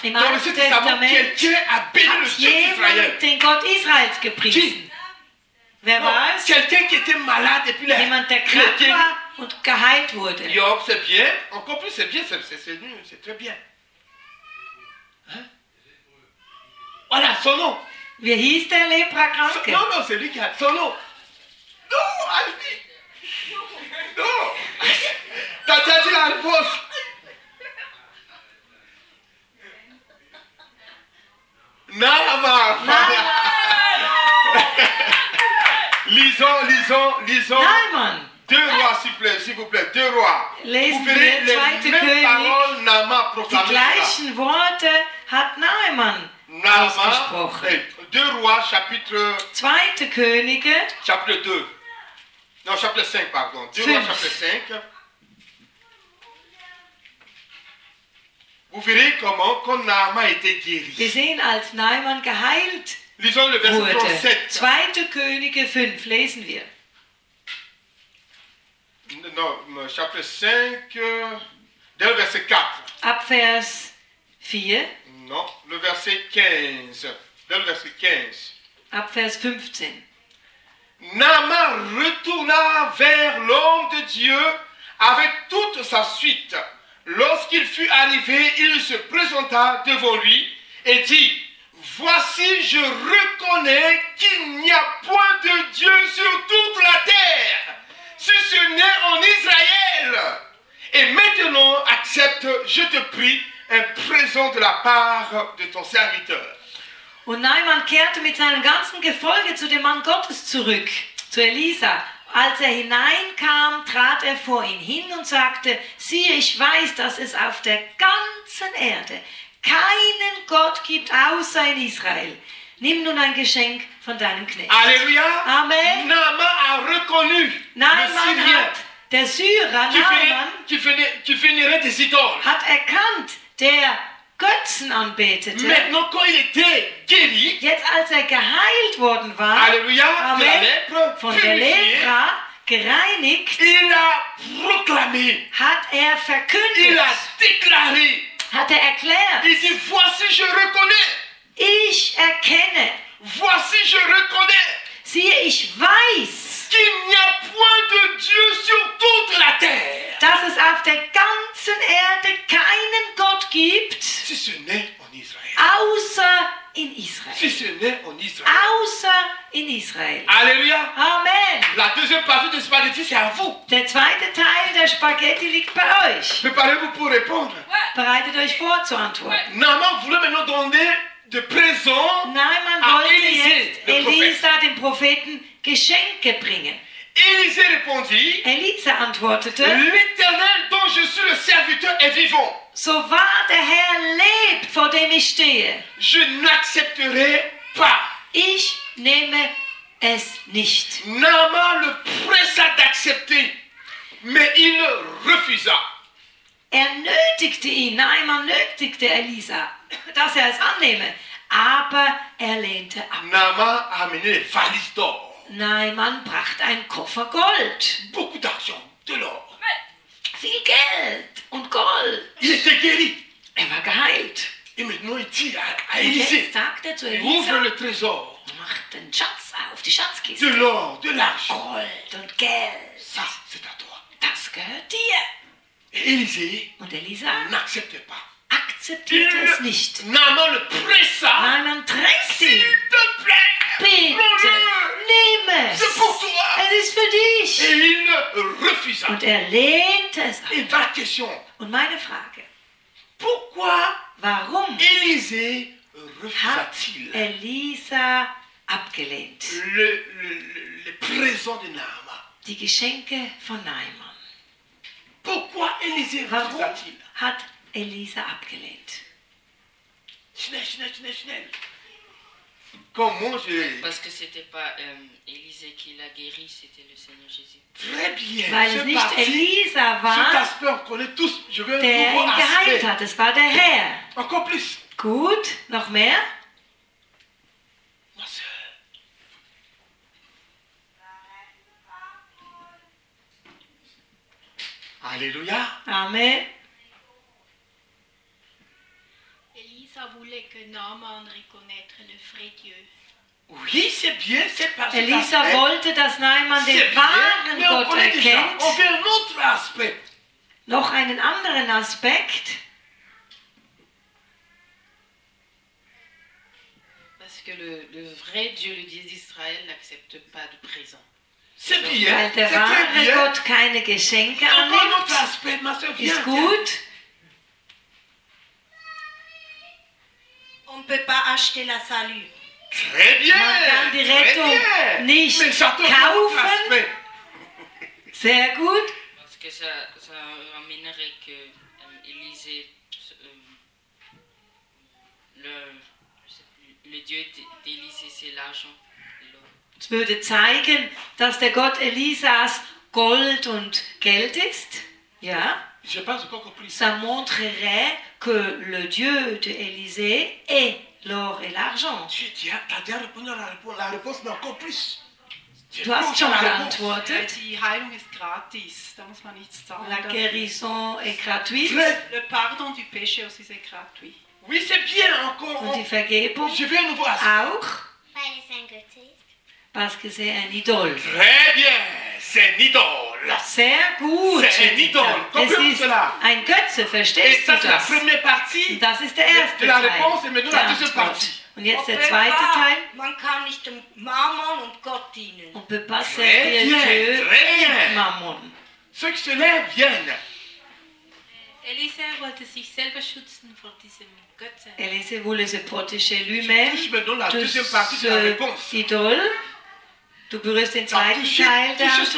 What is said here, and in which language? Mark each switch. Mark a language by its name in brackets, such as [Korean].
[German] Im Alten Testament hat jemand den Gott Israels gepriesen. Wer war es? Jemand, der krank war und geheilt wurde. [French] Job, c'est bien. Encore plus, c'est bien. C'est très bien. Hein? Voilà, son nom. [German] Wie hieß der Leprakranke? [French] Non, non, c'est lui qui a son nom. Non, Albi! Non! T'as déjà dit la réponse! Naaman! Lisons! Naaman! Deux rois, s'il vous plaît, deux rois! [German] Lesen [French] vous verrez les mêmes [German] König, [French] paroles Naaman proclamées. [German] Die gleichen Worte hat Naaman. Naaman, gesprochen. [French] Deux rois, chapitre. [German] Zweite Könige. [French] Chapitre 2. Non, chapitre 5, pardon. Deux rois, chapitre 5. Vous verrez comment quand Naaman était guéri. [German] Wir sehen, als Naaman geheilt [French] lisons le verset 37. [German] Zweite Könige 5, lesen wir. [French] Non, chapitre 5, dès le verset 4. [German] Ab vers 4. [French] Non, le verset 15. Dès le verset 15. [German] Ab vers 15. [French] Naaman retourna vers l'homme de Dieu avec toute sa suite. Lorsqu'il fut arrivé, il se présenta devant lui et dit, « Voici, je reconnais qu'il n'y a point de Dieu sur toute la terre, si ce n'est en Israël. Et maintenant, accepte, je te prie, un présent de la part de ton serviteur. » [German] Und Naaman kehrte mit seinem ganzen Gefolge zu dem Mann Gottes zurück, zu Elisa. Als er hineinkam, trat er vor ihn hin und sagte, siehe, ich weiß, dass es auf der ganzen Erde keinen Gott gibt außer in Israel. Nimm nun ein Geschenk von deinem Knecht. Alleluia. Amen. [French] Naaman a reconnu. [German] Naaman hat, der Syrer Naaman, [French] tu finirais des idoles. [German] Hat erkannt, der Götzen anbetete. [French] Maintenant, quand il était guéri, [German] jetzt als er geheilt worden war, Alleluia, amen, von der Lepra gereinigt, [French] il a proclamé, [German] hat er verkündet, [French] il a déclaré, [German] hat er erklärt, [French] il dit, voici, je reconnais, [German] ich erkenne, [French] voici, je reconnais, [German] siehe, ich weiß, [French] qu'il n'y a point de Dieu sur toute la terre, [German] dass es auf der ganzen Erde keinen Gott gibt, [French] si ce n'est en Israël, [German] außer in Israel. [French] Si ce n'est en Israël. [German] Außer in Israel. Alléluia. Amen. [French] La deuxième partie de spaghetti, c'est à vous. [German] Der zweite Teil der Spaghetti liegt bei euch. [French] Préparez-vous pour répondre. Ouais. [German] Bereitet euch vor zu antworten. [French] Ouais. Naaman voulait maintenant donner de présents à [German] Elisa, dem Propheten, Geschenke bringen. [French] Élisée répondit. [German] Elisa antwortete. [French] L'Éternel dont je suis le serviteur est vivant. [German] So wahr der Herr lebt, vor dem ich stehe. [French] Je n'accepterai pas. [German] Ich nehme es nicht. [French] Naaman le pressa d'accepter, mais il refusa. [German] Er nötigte ihn, Naaman nötigte Elisa, dass er es annehme, aber er lehnte ab. [French] Naaman amenait les valises d'or. [German] Naaman brachte einen Koffer Gold. [French] Beaucoup d'argent, de l'or. [German] Viel Geld und Gold. [French] Il était guéri. [German] Er war geheilt. [French] Et maintenant il dit à Élisée, [German] jetzt sagt er zu Elisa, [French] ouvre le trésor. [German] Mach den Schatz auf, die Schatzkiste. [French] De l'or, de l'argent. [German] Gold und Geld. [French] Ça, c'est à toi. [German] Das gehört dir. [French] Et Élisée, [German] und Elisa, [French] n'accepte pas. [German] Akzeptiert es nicht. [French] Naaman le pressa. [German] Naaman drängt ihn. [French] S'il te plaît. [German] Bitte, nimm es. [French] C'est pour toi. [German] Es ist für dich. [French] Et il refusa. [German] Und er lehnte es ab. [French] Et ma question. [German] Und meine Frage. [French] Pourquoi? [German] Warum? [French] Élisée refusa-t-il? [German] Hat Elisa abgelehnt. [French] Le présent de Naaman. [German] Die Geschenke von Naaman. [French] Pourquoi Élisée refusa-t-il? [German] Warum hat Elisa abgelehnt? Schnell, schnell, schnell, schnell. [French] Comment je... Parce que c'était pas Élisée qui l'a guéri, c'était le Seigneur Jésus. Très bien. [German] Weil es nicht Elisa war, [French] cet aspect, on connaît tous, je veux [German] der ihn geheilt hat, es war der Herr. [French] Encore plus. [German] Gut, noch mehr. [French] Ma soeur. Alléluia. Amen. [German] Elisa voulait que Naaman reconnaître le vrai Dieu. [French] Oui, c'est bien, c'est parce [German] Elisa que wollte, dass Naaman den wahren Gott erkennt. [French] On fait un autre aspect. [German] Noch einen anderen Aspekt. [French] Parce que le vrai Dieu, le Dieu d'Israël, n'accepte pas de présents. C'est bien. Donc, [German] weil der [French] c'est [German] wahre [French] bien. [German] Gott keine Geschenke annimmt. [French] Un autre aspect, ma soeur, [German] ist gut. [French] On ne peut pas acheter la salut. Très bien. [German] Man kann die Rettung nicht kaufen. Sehr gut. [French] Parce que ça ramènerait que Élisée le Dieu d'Élisée c'est l'argent. [German] Es würde zeigen, dass der Gott Elisas Gold und Geld ist. Ja. [French] Je pense encore plus. Ça montrerait que le Dieu d'Élisée est l'or et l'argent. Tu as déjà répondu à la réponse. La réponse n'est encore plus. Tu as déjà répondu. [German] Die Heilung ist gratis. Da muss man nichts zahlen. [French] La guérison est gratuite. Le pardon du péché aussi c'est gratuit. Oui, c'est bien encore. [German] Und die Vergebung. [French] Je vais nous voir. [German] Auch. Weil es ein Gott ist. [French] Parce que c'est un idole. Très bien. C'est un idole. [German] Sehr gut. [French] C'est un idole. [German] Es ist ein Götze, verstehst du das? Das ist der erste Teil. [French] La réponse est maintenant la deuxième partie. [German] Und jetzt der zweite Teil. Man kann nicht dem Mammon und Gott dienen. [French] On peut pas servir Dieu et Mammon. Ceux qui se lèvent viennent. [German] Élisée wollte sich selber schützen vor diesem Götzen. [French] Élisée voulait se protéger lui-même. Je donne la deuxième partie de la réponse. Idole. [German] Du berührst den zweiten Teil der